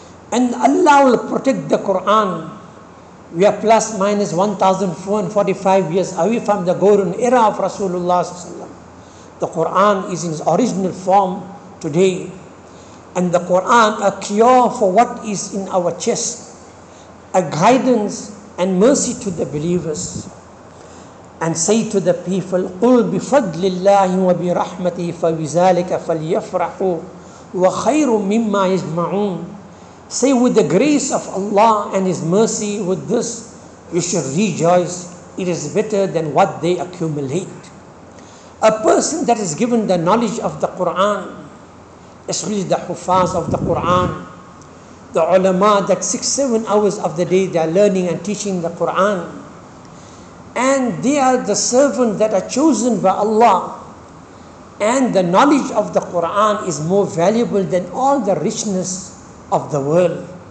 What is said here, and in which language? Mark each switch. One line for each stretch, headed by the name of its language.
English: And Allah will protect the Quran. We are plus minus 1445 years away from the golden era of Rasulullah SAW. The Quran is in its original form today. And the Quran, a cure for what is in our chest, a guidance and mercy to the believers. And say to the people,
Arabic: قُلْ بِفَضْلِ اللَّهِ وَبِرَحْمَتِهِ فَبِذَلِكَ فَلْيَفْرَحُوا وَخَيْرٌ مِمَّا يَجْمَعُونَ.
English: Say, with the grace of Allah and His mercy, with this you should rejoice. It is better than what they accumulate. A person that is given the knowledge of the Quran, especially the Hufaz of the Quran, the ulama that 6-7 hours of the day they are learning and teaching the Quran, and they are the servants that are chosen by Allah, and the knowledge of the Quran is more valuable than all the richness of the world.